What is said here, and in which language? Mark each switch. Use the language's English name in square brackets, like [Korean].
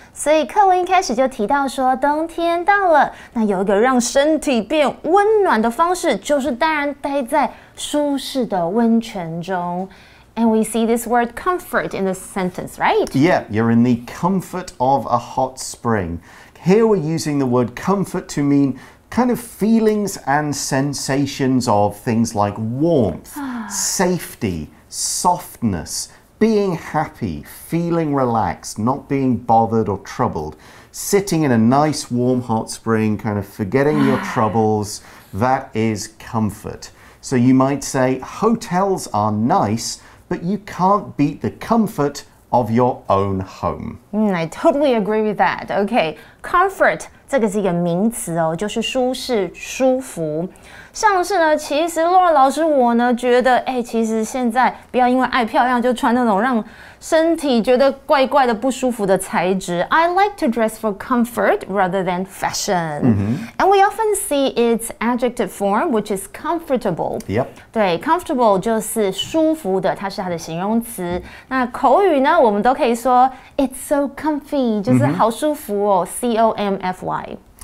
[Chinese] 所以课文一开始就提到说冬天到了，那有一个让身体变温暖的方式就是当然待在舒适的温泉中。 [English] And we see this word comfort in this sentence, right? Yeah, you're in the comfort of a hot spring. Here we're using the word comfort to mean kind of feelings and sensations of things like warmth, safety, softness, being happy, feeling relaxed, not being bothered or troubled, sitting in a nice warm hot spring, kind of forgetting your troubles. That is comfort. So you might say hotels are nice, but you can't beat the comfort of your own home. I totally agree with that. Okay, [Chinese] comfort, 这个是一个名词哦，就是舒适、舒服。像是呢，其实洛老师我呢觉得，哎，其实现在不要因为爱漂亮就穿那种让身体觉得怪怪的不舒服的材质。 [English] I like to dress for comfort rather than fashion. And we often see its adjective form, which is comfortable. Yep. [Chinese] 对 ，comfortable 就是舒服的，它是它的形容词。那口语呢，我们都可以说 [English] it's so comfy， [Chinese] 就是好舒服哦 ，comfy。